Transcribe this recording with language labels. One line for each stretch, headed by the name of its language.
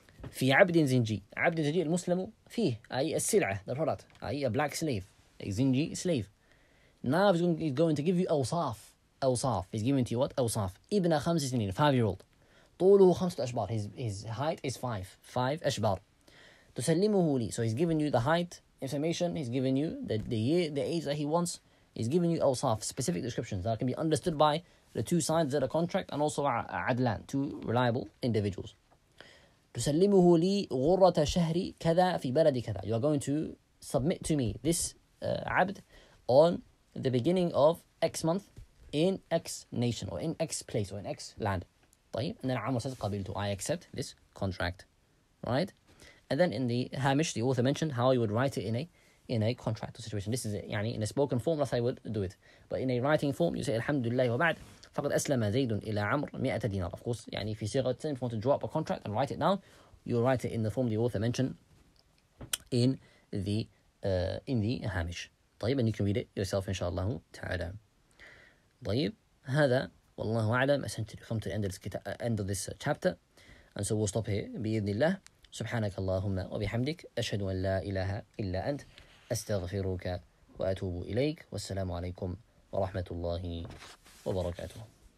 Arabic: في عبد زنجي, عبد زنجي المسلم فيه, أي السلعة,
English: the product,
Arabic: أي
English: a black slave, a
Arabic: زنجي slave.
English: Now he's going to give you
Arabic: أوصاف,
English: he's giving to you what?
Arabic: أوصاف. ابن خمس سنين,
English: 5-year-old.
Arabic: طوله خمسة أشبار,
English: his height is 5
Arabic: أشبار. تسلمه لي,
English: so he's giving you the height information, he's giving you the year, the age that he wants. He's giving you awsaf, specific descriptions that can be understood by the two sides of the contract and also adlan, two reliable individuals.
Arabic: تسلمه لي غرة شهري كذا في بلدي كذا.
English: You are going to submit to me this abd on the beginning of X month in X nation or in X place or in X land.
Arabic: طيب.
English: And then Amr says,
Arabic: قبلت,
English: I accept this contract. Right? And then in the Hamish, the author mentioned how you would write it in a contract or situation. This is it.
Arabic: يعني
English: in a spoken form, that's how I would do it. But in a writing form, you say,
Arabic: Alhamdulillah wa ba'd, فقد أسلم زيد إلى عمر مئة دينار.
English: Of course,
Arabic: يعني في صيغة التسليم,
English: if you want to draw up a contract and write it down, you'll write it in the form the author mentioned in the Hamish. طيب, and you can read it yourself, inshallah ta'ala.
Arabic: طيب, هذا, والله أعلم,
English: essentially come to the end of this chapter. And so we'll stop here,
Arabic: بإذن الله. سبحانك اللهم وبحمدك أشهد أن لا إله إلا أنت أستغفرك وأتوب إليك والسلام عليكم ورحمة الله وبركاته.